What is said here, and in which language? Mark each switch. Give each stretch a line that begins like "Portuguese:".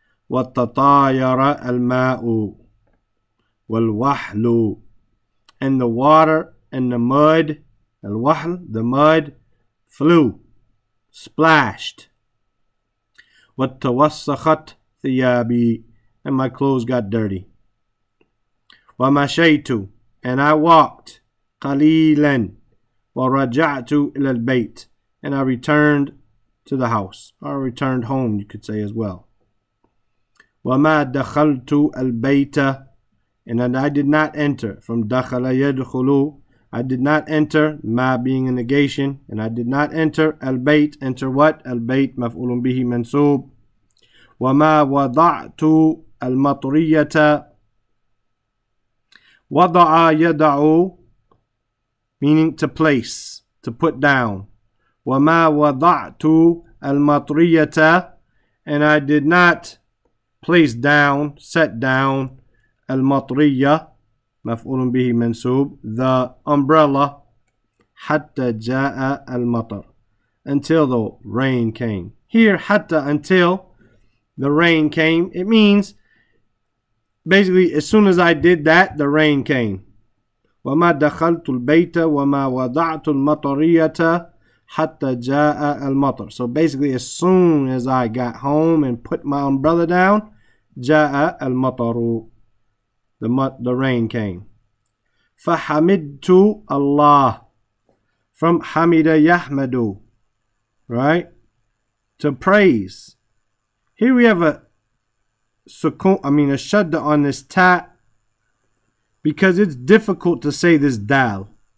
Arabic: وَتَطَايَرَ الْمَاءُ وَالْوَحْلُ.
English: And the water and the mud.
Arabic: الْوَحْلُ.
English: The mud. Flew, splashed.
Arabic: وَتَوَسَّخَتْ ثِيَابِي.
English: And my clothes got dirty.
Arabic: وَمَشَيْتُ.
English: And I walked.
Arabic: قَلِيلًا. وَرَجَعْتُ إِلَى الْبَيْتِ.
English: And I returned to the house, or returned home, you could say as well.
Arabic: وما دخلت البيت,
English: and that I did not enter, from دخل يدخل, I did not enter, ما being a negation, and I did not enter البيت, enter what?
Arabic: البيت مفعول به منصوب. وما وضعت المطرية,
English: وضع يدع, meaning to place, to put down.
Arabic: وما وضعت المطرية,
English: and I did not place down, set down, المطرية,
Arabic: مفعول به منصوب,
English: the umbrella,
Arabic: حتى جاء المطر,
English: until the rain came. Here, حتى, until the rain came, it means, basically, as soon as I did that, the rain came.
Arabic: وما دخلت البيت وما وضعت المطرية حتى جاء المطر.
English: So basically, as soon as I got home and put my umbrella down,
Arabic: جاء المطر,
English: the rain came.
Arabic: فحمدت الله,
English: from حمد يحمد, right? To praise. Here we have a shadda on this ta, because it's difficult to say this dal.